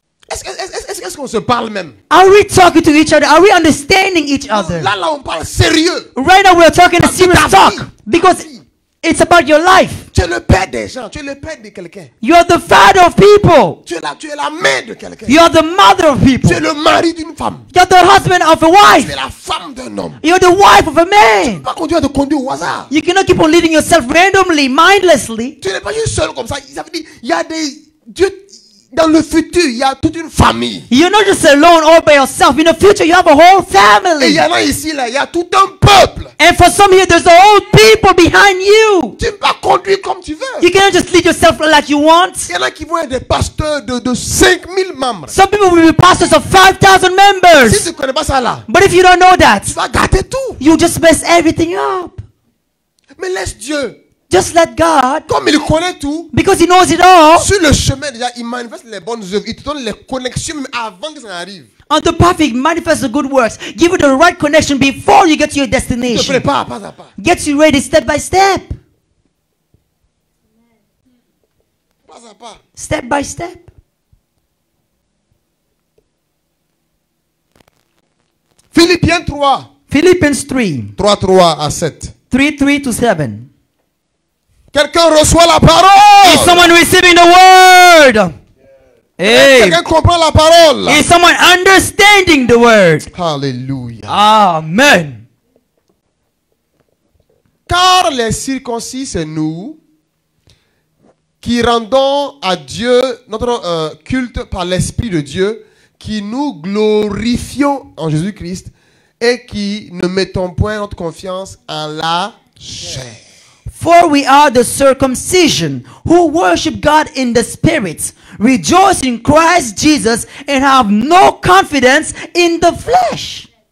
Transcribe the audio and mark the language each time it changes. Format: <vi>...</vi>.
<fr>Est-ce qu'on se parle même?</fr> <en>Are we talking to each other? Are we understanding each other?</en> <fr>Là, on parle sérieux.</fr> <en>Right now, we are talking a serious talk because. It's about your life.</en> <fr>Tu es le père des gens. Tu es le père de quelqu'un.</fr> <en>You are the father of people.</en> <fr>Tu es la mère de quelqu'un.</fr> <en>You are the mother of people.</en> <fr>Tu es le mari d'une femme.</fr> <en>You are the husband of a wife.</en> <fr>Tu es la femme d'un homme.</fr> <en>You are the wife of a man.</en> <fr>Tu ne peux pas continuer à te conduire au hasard.</fr> <en>You cannot keep on leading yourself randomly, mindlessly.</en> <fr>Tu n'es pas juste seul comme ça. Ça veut dire, il y a des Dieu dans le futur. Il y a toute une famille.</fr> <en>You're not just alone all by yourself. In the future, you have a whole family.</en> <fr>Et il y en a ici là. Il y a tout un peuple.</fr> <en>And for some here, there's a whole people behind you.</en> <fr>Tu ne peux pas conduire comme tu veux.</fr> <en>You cannot just lead yourself like you want.</en> <fr>Il y en a qui vont être des pasteurs de 5,000 membres.</fr> <en>Some people will be pastors of 5,000 members.</en> <fr>Si tu ne connais pas ça là.</fr> <en>But if you don't know that,</en> <fr>tu vas gâter tout.</fr> <en>You just mess everything up.</en> <fr>Mais laisse Dieu.</fr> <en>Just let God.</en> <fr>Comme il connaît tout.</fr> <en>Because he knows it all.</en> <fr>Sur le chemin déjà, il manifeste les bonnes œuvres. Il te donne les connexions avant que ça arrive.</fr> <en>On the path, he manifests the good works. Give you the right connection before you get to your destination.</en> <fr>Te prépare pas à pas.</fr> <en>Get you ready step by step.</en> <fr>Pas à pas.</fr> <en>Step by step.</en> <fr>Philippiens 3.</fr> <en>Philippians 3.</en> <fr>3:3-7.</fr> <en>3:3-7.</en> <fr>Quelqu'un reçoit la parole.</fr> <en>Is someone receiving the word? Yeah. Hey.</en> <fr>Quelqu'un comprend la parole.</fr> <en>Is someone understanding the word? Hallelujah. Amen.</en> <fr>Car les circoncis, c'est nous qui rendons à Dieu notre culte par l'Esprit de Dieu, qui nous glorifions en Jésus-Christ et qui ne mettons point notre confiance en la chair.</fr> <en>For we are the circumcision who worship God in the spirit, rejoice in Christ Jesus, and have no confidence in the flesh.</en>